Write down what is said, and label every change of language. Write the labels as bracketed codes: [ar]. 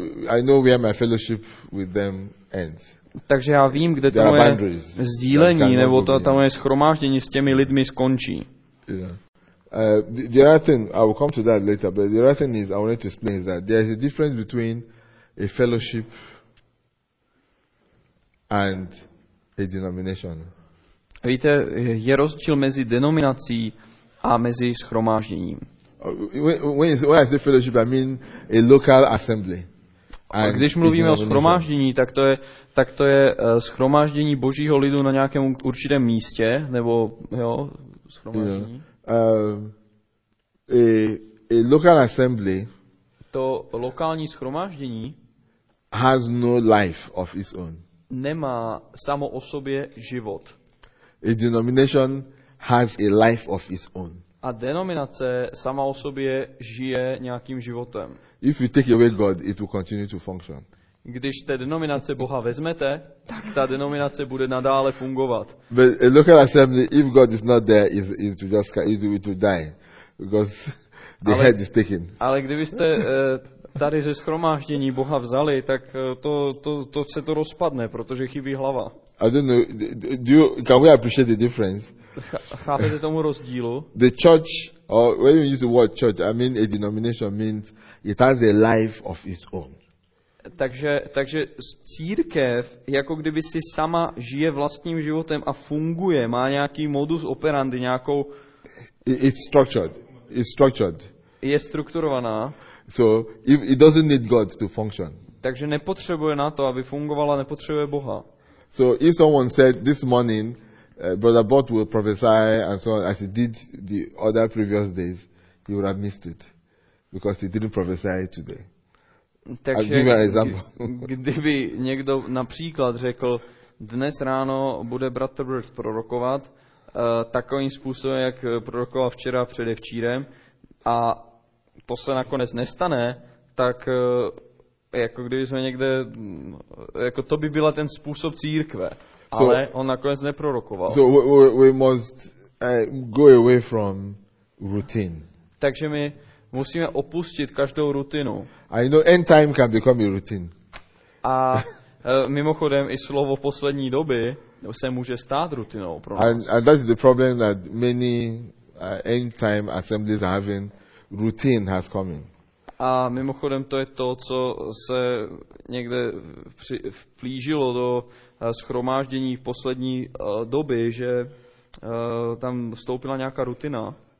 [en] I know where my fellowship with them ends. [cs] Takže já vím, kde to moje sdílení nebo ta moje shromáždění s těmi lidmi skončí. [en] Yeah. The other thing, I will come to that later, but the other thing is I wanted to explain is that there is a difference between a fellowship and a denomination. [cs] Víte, je rozdíl mezi denominací a mezi shromážděním. [en] When I say fellowship, I mean a local assembly. [cs] A když mluvíme o shromáždění, tak to je shromáždění Božího lidu na nějakém určitém místě, nebo jo, shromáždění. [en] Yeah. A local assembly. [cs] To lokální shromáždění [en] has no life of its own. [cs] Nemá samo o sobě život. [en] A denomination has a life of its own. [cs] A denominace sama o sobě žije nějakým životem. [en] If you take away God, it will continue to function. [cs] Když té denominace Boha vezmete, tak ta denominace bude nadále fungovat. [en] But a local assembly, if God is not there, is to just easy to die, because the head is taken. [cs] Ale kdybyste tady ze shromáždění Boha vzali, tak to se to rozpadne, protože chybí hlava. [en] I don't know. Can we appreciate the difference? [cs] Chápete tomu rozdílu? [en] The church, or when you use the word church, I mean a denomination means it has a life of its own. [cs] Takže církev, jako kdyby si sama žije vlastním životem a funguje, má nějaký modus operandi, nějakou. [en] It's structured. [cs] Je strukturovaná. [en] So it doesn't need God to function. [cs] Takže nepotřebuje na to, aby fungovala, nepotřebuje Boha. [en] So if someone said this morning, Brother Bot will prophesy and so on, as he did the other previous days, he would have missed it, because he didn't prophesy today. [cs] Takže, [en] I'll give you an example. [cs] Kdyby někdo například řekl, dnes ráno bude Brother Bird prorokovat takovým způsobem, jak prorokoval včera předevčírem, a to se nakonec nestane, tak jako kdyby jsme někde, jako to by byla ten způsob církve. Ale on nakonec neprorokoval. [en] So we must go away from routine. [cs] Takže my musíme opustit každou rutinu. [en] I know end time can become a routine. [cs] A mimochodem i slovo poslední doby se může stát rutinou pro nás. [en] And that is the problem that many end time assemblies are having. Routine has come in. [cs] A mimochodem to je to, co se někde vplížilo do shromáždění v poslední doby, že tam vstoupila nějaká rutina.